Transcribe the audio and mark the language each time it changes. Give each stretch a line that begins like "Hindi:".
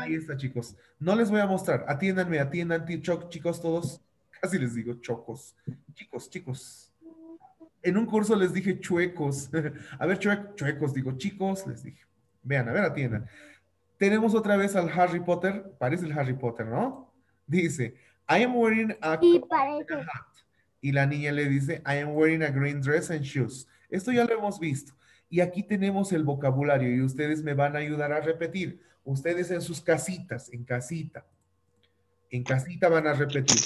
Spanish: Ahí está, chicos. No les voy a mostrar. Atiendan, chicos, todos. Casi les digo chocos. Chicos. En un curso les dije chuecos. A ver, chuecos, digo chicos, les dije. Vean, a ver, atiendan. Tenemos otra vez al Harry Potter. Parece el Harry Potter, ¿no?
English: Dice, I am wearing a coat and a hat.
Spanish: Y la niña le dice,
English: I am wearing a green dress and shoes.
Spanish: Esto ya lo hemos visto. Y aquí tenemos el vocabulario y ustedes me van a ayudar a repetir. Ustedes en sus casitas, en casita van a repetir.